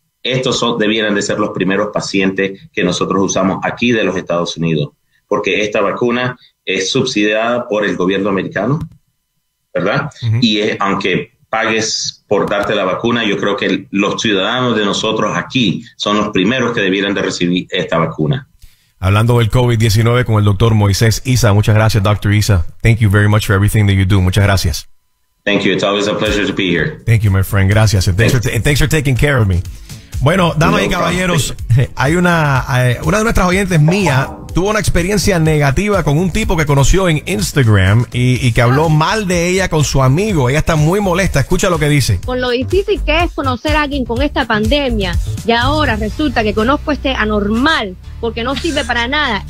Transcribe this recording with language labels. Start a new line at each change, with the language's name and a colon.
Spanish: Estos debieran de ser los primeros pacientes que nosotros usamos aquí de los Estados Unidos, porque esta vacuna es subsidiada por el gobierno americano, ¿verdad? Uh-huh. Y aunque pagues por darte la vacuna, yo creo que los ciudadanos de nosotros aquí son los primeros que debieran de recibir esta vacuna. Hablando del COVID-19 con el doctor Moisés Isa. Muchas gracias, doctor Isa.
English: Thank you very much for everything that you do.
Spanish: Muchas gracias.
English: Thank you. It's always a pleasure to be here. Thank you, my friend. Gracias. And thanks for taking care of me.
Spanish: Bueno, damas y caballeros, hay una de nuestras oyentes, Mía, tuvo una experiencia negativa con un tipo que conoció en Instagram y que habló mal de ella con su amigo. Ella está muy molesta. Escucha lo que dice. Con lo difícil que es conocer a alguien con esta pandemia, y ahora resulta que conozco a este anormal porque no sirve para nada.